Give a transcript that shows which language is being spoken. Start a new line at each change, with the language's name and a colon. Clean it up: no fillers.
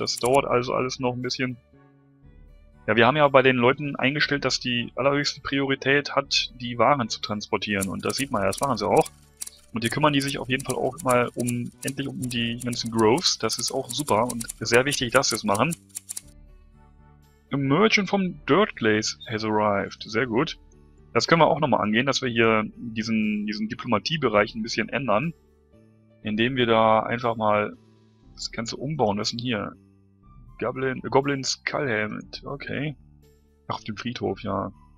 German: Das dauert also alles noch ein bisschen. Ja, wir haben ja bei den Leuten eingestellt, dass die allerhöchste Priorität hat, die Waren zu transportieren. Und das sieht man ja, das machen sie auch. Und hier kümmern die sich auf jeden Fall auch mal um endlich um die ganzen Growths. Das ist auch super und sehr wichtig, dass sie es machen.
English: A Merchant from Dirtglaze has arrived.
German: Sehr gut. Das können wir auch nochmal angehen, dass wir hier diesen Diplomatiebereich ein bisschen ändern. Indem wir da einfach mal das Ganze umbauen müssen hier. Goblin Skullhelmet, okay. Auf dem Friedhof, ja.